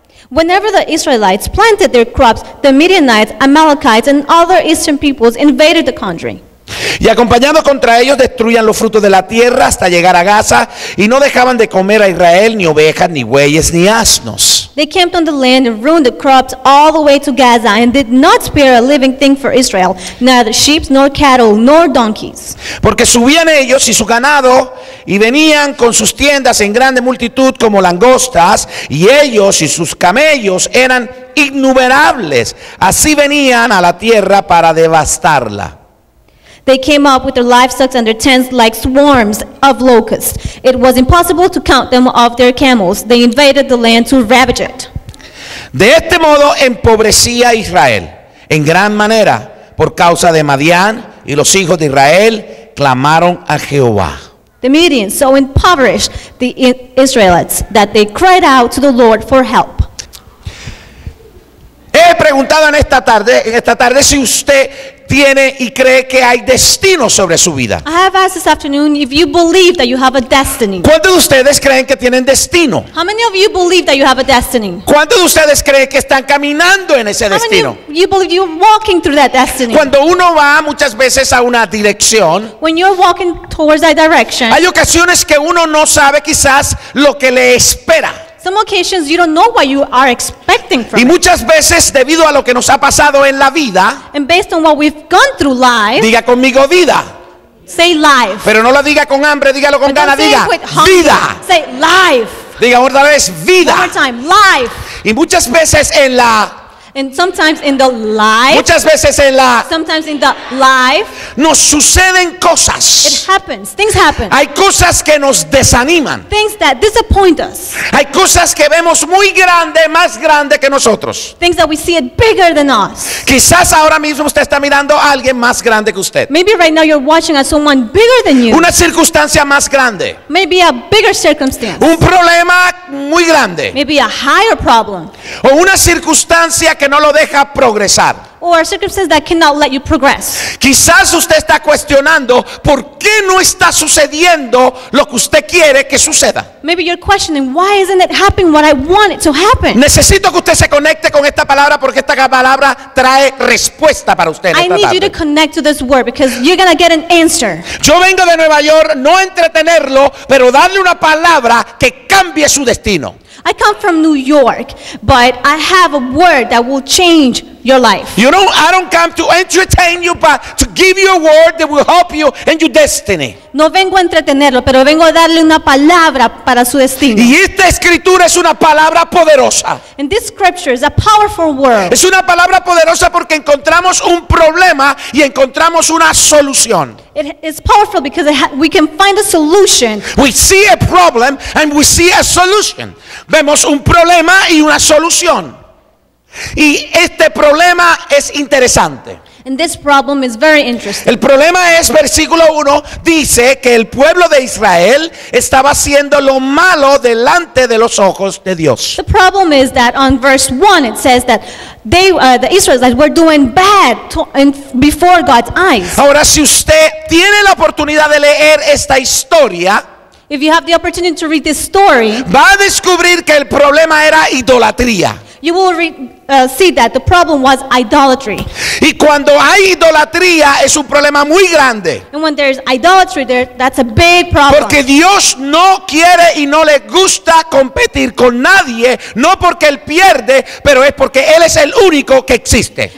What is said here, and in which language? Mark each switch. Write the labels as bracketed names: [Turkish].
[English] Whenever the Israelites planted their crops, the Midianites, Amalekites and other eastern peoples invaded the country. [Spanish] Y acompañados contra ellos destruían los frutos de la tierra hasta llegar a Gaza, y no dejaban de comer a Israel ni ovejas, ni bueyes, ni asnos. [English] They camped on the land and ruined the crops all the way to Gaza, and did not spare a living thing for Israel, neither sheep, nor cattle, nor donkeys. [Spanish] Porque subían ellos y su ganado, y venían con sus tiendas en grande multitud como langostas, y ellos y sus camellos eran innumerables. Así venían a la tierra para devastarla. [English] They came up with their livestock and their tents like swarms of locusts. It was impossible to count them off their camels. They invaded the land to ravage it. [Spanish] De este modo empobrecía Israel en gran manera por causa de Madián, y los hijos de Israel clamaron a Jehová. [English] The Midian so impoverished the Israelites that they cried out to the Lord for help. [Spanish] He preguntado en esta tarde si usted tiene y cree que hay destino sobre su vida. [English] I have asked this afternoon if you believe that you have a destiny. [Spanish] ¿Cuántos de ustedes creen que tienen destino? [English] How many of you believe that you have a destiny? [Spanish] ¿Cuántos de ustedes creen que están caminando en ese destino? [English] How many of you believe you're walking through that destiny? [Spanish] Cuando uno va muchas veces a una dirección, [English] when you're walking towards that direction, [Spanish] hay ocasiones que uno no sabe quizás lo que le espera. [English] Some occasions you don't know what you are expecting from. [Spanish] Y muchas veces debido a lo que nos ha pasado en la vida. [English] And based on what we've gone through life. [Spanish] Diga conmigo vida. [English] Say life. [Spanish] Pero no lo diga con hambre, dígalo con ganas, diga [English] hungry, [Spanish] vida. [English] Say life. [Spanish] Diga otra vez vida. [English] One more time, life. [Spanish] Y muchas veces en la [English] And sometimes in the life, [Spanish] muchas veces en la, [English] sometimes in the life, [Spanish] nos suceden cosas. [English] It happens. Things happen. [Spanish] Hay cosas que nos desaniman. [English] Things that disappoint us. [Spanish] Hay cosas que vemos muy grande, más grande que nosotros. [English] Things that we see it bigger than us. [Spanish] Quizás ahora mismo usted está mirando a alguien más grande que usted. [English] Maybe right now you're watching at someone bigger than you. [Spanish] Una circunstancia más grande. [English] Maybe a bigger circumstance. [Spanish] Un problema muy grande. [English] Maybe a higher problem. [Spanish] O una circunstancia que no lo deja progresar. [English] Or circumstances that cannot let you progress. [Spanish] Quizás usted está cuestionando por qué no está sucediendo lo que usted quiere que suceda. [English] Maybe you're questioning why isn't it happening what I want it to happen. [Spanish] Necesito que usted se conecte con esta palabra porque esta palabra trae respuesta para usted. [English] I need you to connect to this word because you're gonna get an answer. [Spanish] Yo vengo de Nueva York no entretenerlo, pero darle una palabra que cambie su destino. [English] I come from New York, but I have a word that will change your life. You know, I don't come to entertain you, but to give you a word that will help you and your destiny. [Spanish] No vengo a entretenerlo, pero vengo a darle una palabra para su destino. Y esta escritura es una palabra poderosa. [English] And this scripture is a powerful word. [Spanish] Es una palabra poderosa porque encontramos un problema y encontramos una solución. [English] It is powerful because we can find a solution. We see a problem and we see a solution. [Spanish] Vemos un problema y una solución. Y este problema es interesante. [English] And this problem is very interesting. [Spanish] El problema es, versículo 1, dice que el pueblo de Israel estaba haciendo lo malo delante de los ojos de Dios. [English] The problem is that on verse 1 it says that they, the Israelites were doing bad before God's eyes. [Spanish] Ahora, si usted tiene la oportunidad de leer esta historia, [English] if you have the opportunity to read this story, [Spanish] va a descubrir que el problema era idolatría. [English] You will see that the problem was idolatry. [Spanish] Y cuando hay idolatría es un problema muy grande. [English] And when there's idolatry there, that's a big problem. [Spanish] Porque Dios no quiere y no le gusta competir con nadie, no porque él pierde, pero es porque él es el único que existe.